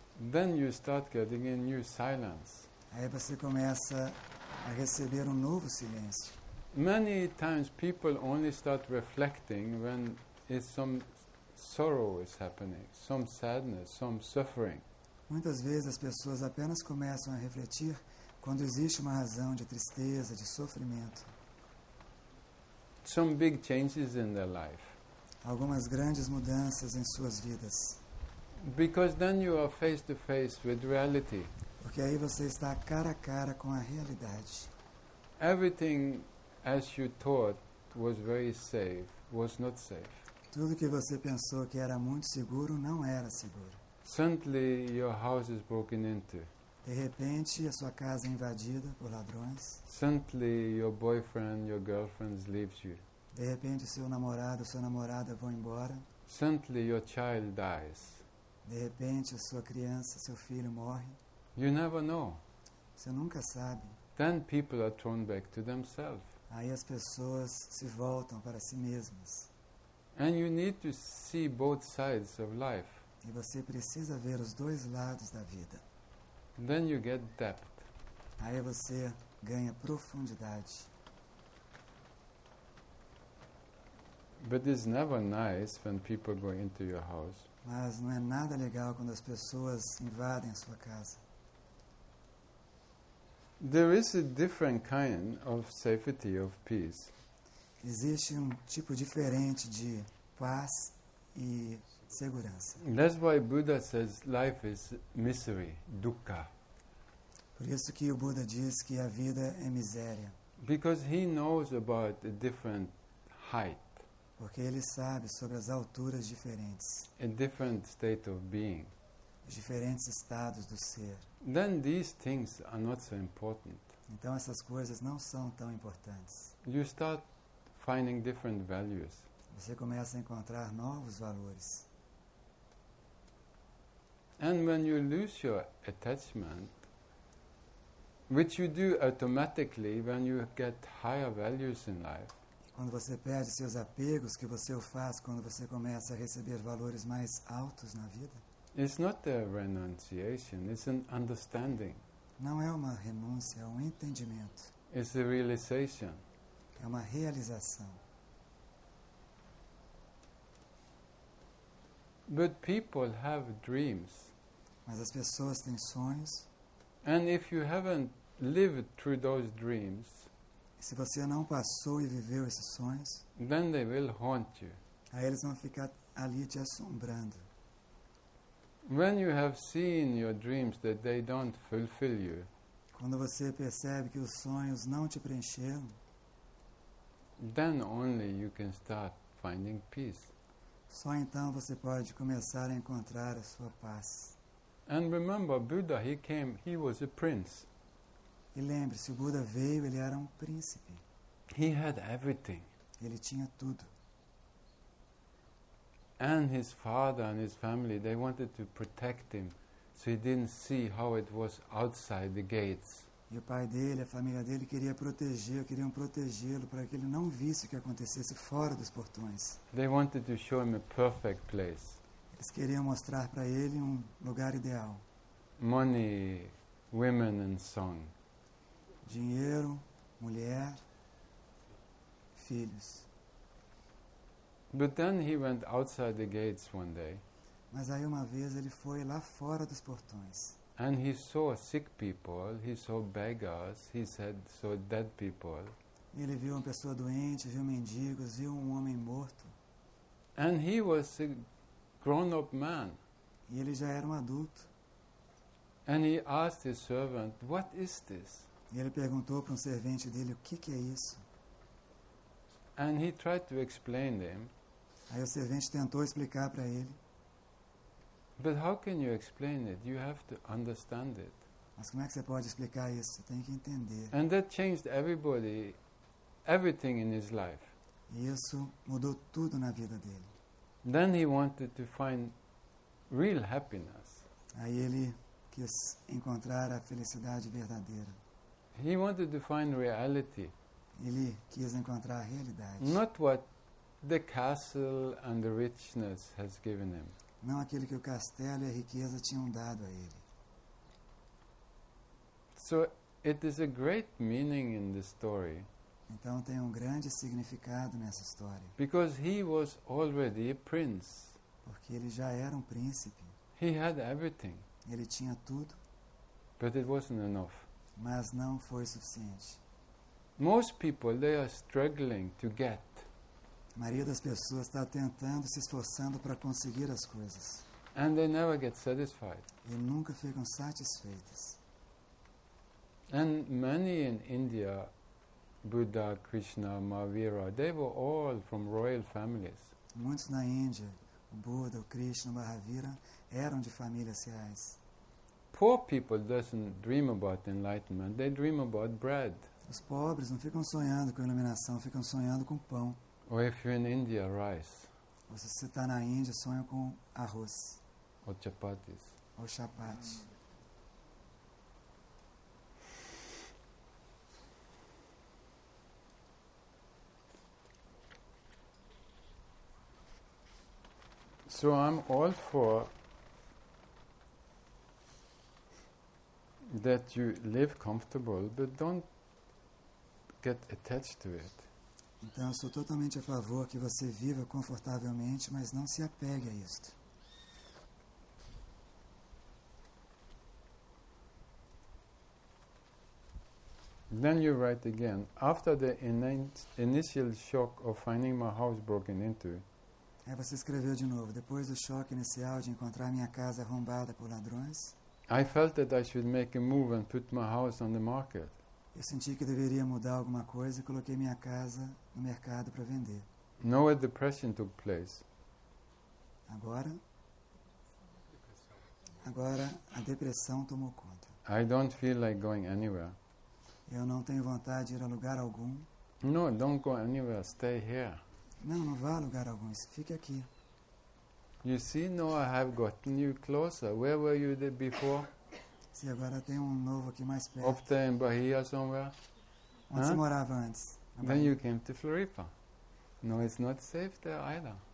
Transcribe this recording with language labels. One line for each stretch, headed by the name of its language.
English: then you start getting a new silence.
Portuguese: Aí você começa a receber um novo silêncio.
English: Many times people only start reflecting when is some sorrow is happening, some sadness, some suffering.
Portuguese: Muitas vezes as pessoas apenas começam a refletir quando existe uma razão de tristeza, de sofrimento.
English: Some big changes in their life.
Portuguese: Algumas grandes mudanças em suas vidas.
English: Because then you are face to face with reality.
Portuguese: Porque aí você está cara a cara com a realidade.
English: Everything as you thought was very safe was not safe.
Portuguese: Tudo que você pensou que era muito seguro não era seguro.
English: Suddenly your house is broken into.
Portuguese: De repente a sua casa é invadida por ladrões.
English: Suddenly your boyfriend, your girlfriend leaves you.
Portuguese: De repente seu namorado, sua namorada vão embora.
English: Suddenly your child dies.
Portuguese: De repente a sua criança, seu filho morre.
English: You never know.
Portuguese: Você nunca sabe.
English: Then people are thrown back to themselves.
Portuguese: Aí as pessoas se voltam para si mesmas.
English: And you need to see both sides of life.
Portuguese: E você precisa ver os dois lados da vida.
English: Then you get depth.
Portuguese: Aí você ganha profundidade.
English: But it's never nice when people go into your house.
Portuguese: Mas não é nada legal quando as pessoas invadem a sua casa.
English: There is a different kind of safety of peace.
Portuguese: Existe um tipo diferente de paz e segurança.
English: That's why Buddha says life is misery, dukkha.
Portuguese: Por isso que o Buda diz que a vida é miséria.
English: Because he knows about a different height.
Portuguese: Porque ele sabe sobre as alturas diferentes.
English: A different state of being.
Portuguese: Os diferentes estados do ser.
English: Then these things are not so important.
Portuguese: Então essas coisas não são tão importantes.
English: You start finding different values.
Portuguese: Você começa a encontrar novos valores.
English: And when you lose your attachment, which you do automatically when you get higher values in life.
Portuguese: Quando você perde seus apegos, que você o faz quando você começa a receber valores mais altos na vida.
English: It's not a renunciation, it's an understanding.
Portuguese: Não é uma renúncia, é um entendimento.
English: It's a realization.
Portuguese: É uma realização.
English: But people have dreams.
Portuguese: Mas as pessoas têm sonhos.
English: And if you haven't lived through those dreams,
Portuguese: se você não passou e viveu esses sonhos,
English: then they will haunt you.
Portuguese: Aí eles vão ficar ali te assombrando.
English: When you have seen your dreams that they don't fulfill you,
Portuguese: Quando você percebe que os sonhos não te preencheram,
English: then only you can start finding peace.
Portuguese: Só então você pode começar a encontrar a sua paz.
English: And remember, Buddha, he came, he was a prince.
Portuguese: E lembre-se, o Buda veio, ele era um príncipe.
English: He had everything.
Portuguese: Ele tinha tudo.
English: And his father and his family, they wanted to protect him, so he didn't see how it was outside the gates.
Portuguese: E o pai dele, a família dele, queriam protegê-lo para que ele não visse o que acontecesse fora dos portões.
English: They wanted to show him a perfect place.
Portuguese: Eles queriam mostrar para ele um lugar ideal.
English: Money, women and song.
Portuguese: Dinheiro, mulher, filhos.
English: But then he went outside the gates one day.
Portuguese: Mas aí uma vez ele foi lá fora dos portões.
English: And he saw sick people, he saw beggars, he said, saw dead people.
Portuguese: Ele viu uma pessoa doente, viu mendigos, viu um homem morto.
English: And he was a grown-up man.
Portuguese: E ele já era um adulto.
English: And he asked his servant, what is this?
Portuguese: E ele perguntou para um servente dele, o que que é isso?
English: And he tried to explain them.
Portuguese: Aí o servente tentou explicar para ele.
English: But how can you explain it? You have to understand it.
Portuguese: Mas como é que você pode explicar isso? Você tem que entender.
English: And that changed everybody, everything in his life.
Portuguese: E isso mudou tudo na vida dele.
English: Then he wanted to find real happiness.
Portuguese: Aí ele quis encontrar a felicidade verdadeira.
English: He wanted to find reality.
Portuguese: Ele quis encontrar a realidade.
English: Not what the castle and the richness has given him.
Portuguese: Não aquilo que o castelo e a riqueza tinham dado a ele.
English: So it is a great meaning in the story.
Portuguese: Então tem um grande significado nessa história.
English: Because he was already a prince.
Portuguese: Porque ele já era um príncipe.
English: He had everything.
Portuguese: Ele tinha tudo.
English: But it wasn't enough.
Portuguese: Mas não foi suficiente.
English: Most people, they are struggling to get.
Portuguese: A maioria das pessoas está tentando, se esforçando para conseguir as coisas.
English: And they never get satisfied.
Portuguese: E nunca ficam satisfeitas.
English: And many in India, Buddha, Krishna, Mahavira, they were all from royal families.
Portuguese: Muitos na Índia, o Buda, o Krishna, o Mahavira, eram de famílias reais.
English: Poor people doesn't dream about enlightenment. They dream about bread.
Portuguese: Os pobres não ficam sonhando com iluminação, ficam sonhando com pão.
English: Or if you're in India, rice.
Portuguese: Ou se você está na Índia, sonha com arroz. Ou chapatis. Ou chapati.
English: So I'm all for that you live comfortable, but don't get attached to it.
Portuguese: Então, eu sou totalmente a favor que você viva confortavelmente, mas não se apegue a isto.
English: Then you write again. After the initial shock of finding my house broken into.
Portuguese: Aí você escreveu de novo. Depois do choque inicial de encontrar minha casa arrombada por ladrões.
English: I felt that I should make a move and put my house on the market.
Portuguese: Eu senti que deveria mudar alguma coisa e coloquei minha casa no mercado para vender.
English: No, a depression took place.
Portuguese: Agora a depressão tomou conta.
English: I don't feel like going anywhere.
Portuguese: Eu não tenho vontade de ir a lugar algum.
English: No, don't go anywhere, stay here.
Portuguese: Não vá a lugar algum, fique aqui.
English: You see, now I have gotten you closer. Where were you there before?
Portuguese: Sim, agora tem um novo aqui mais perto.
English: Off there in Bahia somewhere.
Portuguese: Onde você morava antes?
English: Then you came to Floripa. No, it's not safe there either.